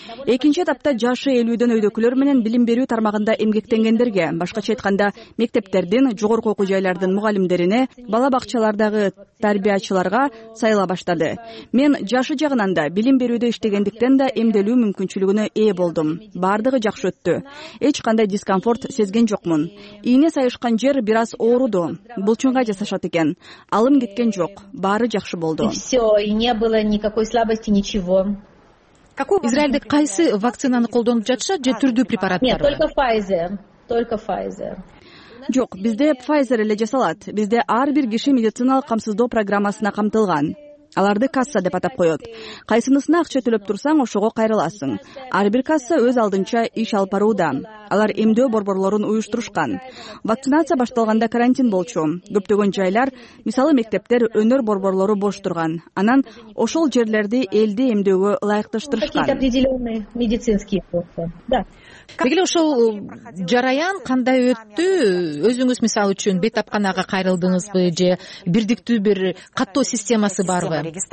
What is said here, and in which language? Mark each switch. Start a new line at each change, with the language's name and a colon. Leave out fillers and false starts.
Kyrgyz: Экинчи этапта жашы 50 өйдөкүлөр менен билим берүү тармагында эмгектенгендерге, башкача айтканда мектептердин, жогорку окуу жайлардын мугалимдерине, бала бакчалардагы тарбиячыларга сайыла баштады. Мен жашы жагынан да, билим берүүдө иштегендиктен да эмделүү мүмкүнчүлүгүнө ээ болдум. Бардыгы жакшы өттү. Эч кандай дискомфорт сезген жокмун. Ийне сайышкан жер бир аз ооруду. Булчуңга жасашат экен. Алым кеткен жок. Баары жакшы болду.
Russian: Все, и не было никакой слабости, ничего.
Kyrgyz: Израилде кайсы вакцинаны колдонуп жатышат же түрдүү препараттар?
Russian: Нет, только Pfizer.
Kyrgyz: Жок, бизде Pfizer эле жасалат. Бизде ар бир киши медициналык камсыздоо программасына камтылган. Аларды касса деп атап коёт. Кайсынысына акча төлөп турсаң, ошого кайрыласың. Ар бир касса өз алдынча иш алып барууда. Алар эмдөө борборлорун уюштурушкан. Вакцинация башталганда карантин болчу. Көптөгөн жайлар, мисалы мектептер, өнөр борборлору бош турган. Анан ошол жерлерди элди эмдөөгө ылайыкташтырышкан. Деги эле ошол жараян кандай өттү? Өзүңүз мисалы үчүн бетапканага кайрылдыңызбы же бирдиктүү бир каттоо системасы барбы?